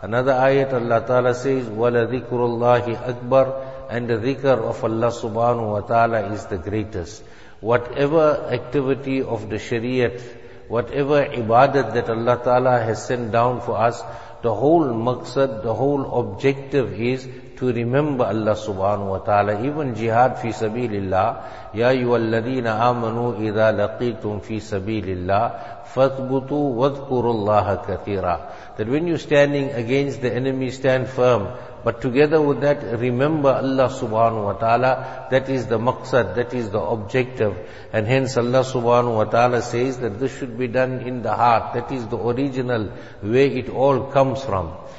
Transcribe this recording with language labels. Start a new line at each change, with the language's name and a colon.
English: Another ayat Allah ta'ala says,
Arabic: وَلَذِكْرُ اللَّهِ أَكْبَرُ,
English: and the dhikr of Allah subhanahu wa ta'ala is the greatest. Whatever activity of the shariat, whatever ibadat that Allah ta'ala has sent down for us, the whole maqsad, the whole objective is to remember Allah subhanahu wa ta'ala. Even jihad fi sabilillah,
Arabic: يَا أَيُّهَا الَّذِينَ آمَنُوا إِذَا لَقِيتُمْ فِي سَبِيلِ اللَّهِ فَاثْبُتُوا وَاذْكُرُوا اللَّهَ كَثِيرًا.
English: That when you're standing against the enemy, stand firm. But together with that, remember Allah subhanahu wa ta'ala. That is the maqsad, that is the objective. And hence Allah subhanahu wa ta'ala says that this should be done in the heart. That is the original way it all comes from.